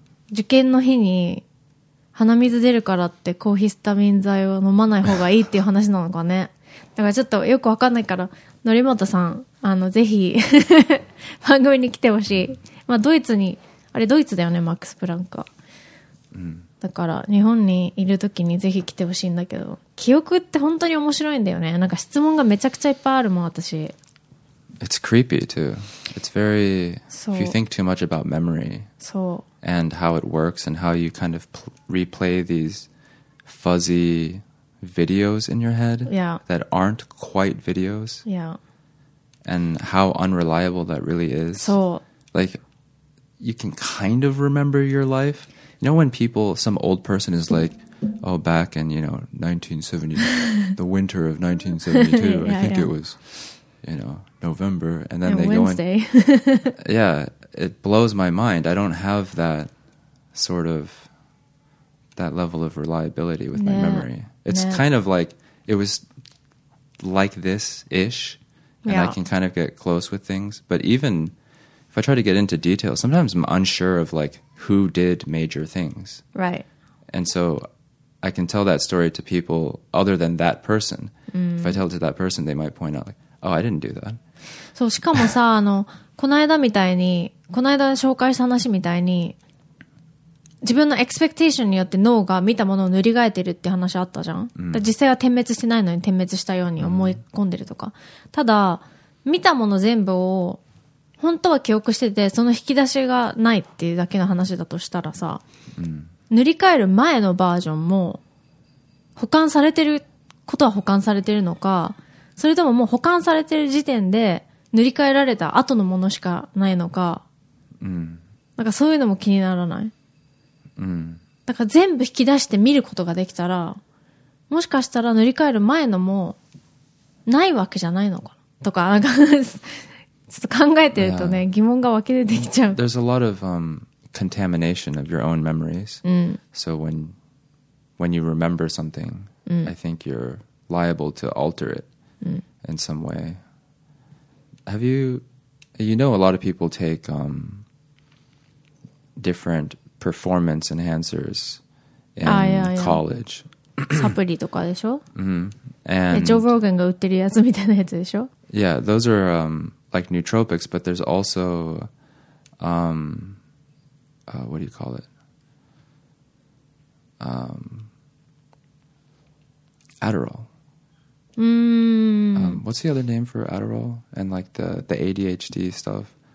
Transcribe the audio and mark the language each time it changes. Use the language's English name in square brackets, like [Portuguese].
[Japanese] 受験の日に鼻水出るからって抗ヒスタミン剤を飲まない方がいいっていう話なのかねだからちょっとよく分かんないから、則本さん、あのぜひ番組に来てほしい。まあドイツに、あれドイツだよね、マックス・プランクは、うん、だから日本にいる時にぜひ来てほしいんだけど、記憶って本当に面白いんだよね。なんか質問がめちゃくちゃいっぱいあるもん私。 [English] It's creepy too. It's very if you think too much about memory [Japanese] そう [English] and how it works and how you kind of replay these fuzzy videos in your head、 yeah. that aren't quite videos、 yeah. and how unreliable that really is. [Japanese] そう、 [English] like you can kind of remember your life. You know when people, some old person is like, oh, back in, you know, 1970, the winter of 1972, yeah, I think、yeah. it was, you know, November. And then and they、 Wednesday. go in. Yeah, it blows my mind. I don't have that sort of, that level of reliability with、yeah. my memory. It's、yeah. kind of like, it was like this-ish. And、yeah. I can kind of get close with things. But even... If I try to get into detail, sometimes I'm unsure of like who did major things. Right. And so I can tell that story to people other than that person.、 Mm. If I tell it to that person, they might point out like, oh, I didn't do that. [Japanese] そう、しかもさ、あの、この間みたいに、この間紹介した話みたいに、自分のエクスペクテーションによって脳が見たものを塗り替えてるって話あったじゃん。 Mm. だ実際は点滅してないのに点滅したように思い込んでるとか。 Mm. ただ、見たもの全部を、本当は記憶しててその引き出しがないっていうだけの話だとしたらさ、うん、塗り替える前のバージョンも保管されてることは保管されてるのか、それとももう保管されてる時点で塗り替えられた後のものしかないのか、うん、なんかそういうのも気にならない、うん、だから全部引き出して見ることができたら、もしかしたら塗り替える前のもないわけじゃないのかとか、なんかちょっと考えてるとね、yeah. 疑問が湧き出てきちゃう。 [English] There's a lot of、contamination of your own memories.、うん、 so when you remember something,、うん、 I think you're liable to alter it、うん、 in some way. Have you... You know a lot of people take、different performance enhancers in college. [Japanese] サプリとかでしょ、 [English] mm-hmm. And... [Japanese] ジョー・ローガンが売ってるやつみたいなやつでしょ。 [English] Yeah, those are...、like nootropics, but there's also, what do you call it? Adderall. Mm. What's the other name for Adderall? And like the ADHD stuff?